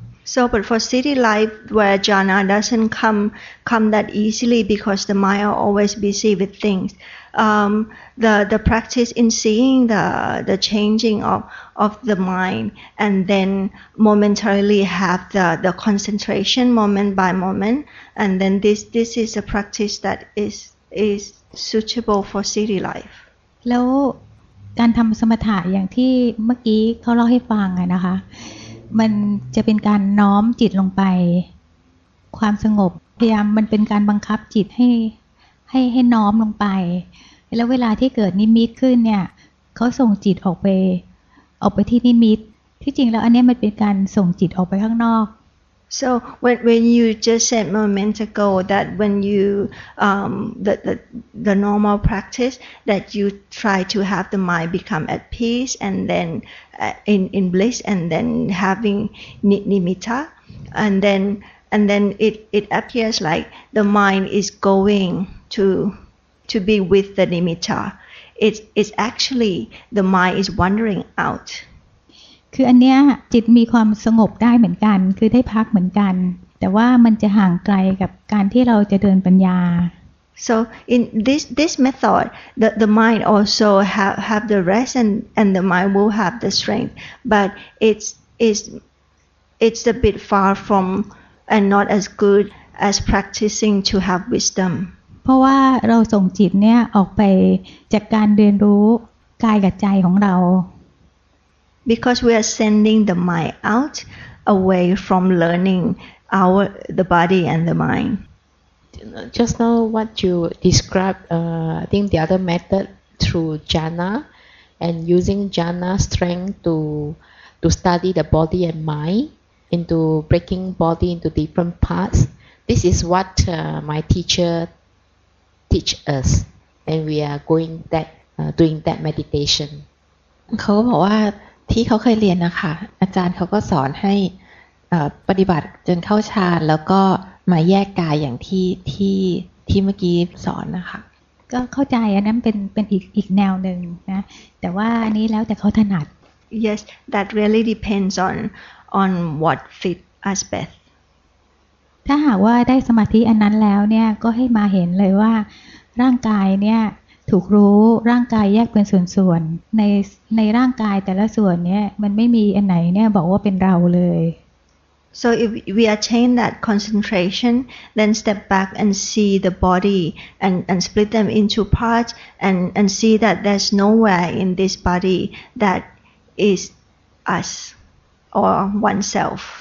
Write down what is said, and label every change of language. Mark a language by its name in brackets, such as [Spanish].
[English] So but for city life where jhana doesn't come that easily because the mind are always busy with things the practice in seeing the changing of the mind and then momentarily have the concentration moment by moment and then this is a practice that is suitable for city life [Thai] แล้วการทำสมถะอย่างที่เมื่อกี้เขาเล่าให้ฟังอ่ะนะคะมันจะเป็นการน้อมจิตลงไปความสงบพยายามมันเป็นการบังคับจิตให้น้อมลงไปแล้วเวลาที่เกิดนิมิตขึ้นเนี่ยเขาส่งจิตออกไปที่นิมิตที่จริงแล้วอันนี้มันเป็นการส่งจิตออกไปข้างนอก [English] So when you just said moment ago that when you the normal practice that you try to have the mind become at peace and then in bliss and then having nimitta and then it appears like the mind is going to be with the nimitta it's actually the mind is wandering out [Thai] คืออันเนี้ยจิตมีความสงบได้เหมือนกันคือได้พักเหมือนกันแต่ว่ามันจะห่างไกลกับการที่เราจะเดินปัญญา [English] so in this method the mind also have the rest and the mind will have the strength but it's a bit far from and not as good as practicing to have wisdom [Thai] เพราะว่าเราส่งจิตเนี้ยออกไปจากการเรียนรู้กายกับใจของเรา [English] Because we are sending the mind out away from learning the body and the mind. Just now what you described, I think the other method through jhana and using jhana strength to study the body and mind into breaking body into different parts. This is what my teacher teach us and we are going that, doing that meditation. [Thai] เขาบอกว่าที่เขาเคยเรียนนะคะอาจารย์เขาก็สอนให้ปฏิบัติจนเข้าฌานแล้วก็มาแยกกายอย่างที่เมื่อกี้สอนนะคะ ก็เข้าใจอันนั้นเป็นอีกแนวหนึ่งนะแต่ว่าอันนี้แล้วแต่เขาถนัด [English] yes that really depends on what fit us best [Thai] ถ้าหากว่าได้สมาธิอันนั้นแล้วเนี่ยก็ให้มาเห็นเลยว่าร่างกายเนี่ยถูกรู้ร่างกายแยกเป็นส่วนๆในร่างกายแต่ละส่วนเนี่ยมันไม่มีอันไหนเนี่ยบอกว่าเป็นเราเลย [English] So if we attain that concentration then step back and see the body and split them into parts and see that there's nowhere in this body that is us or oneself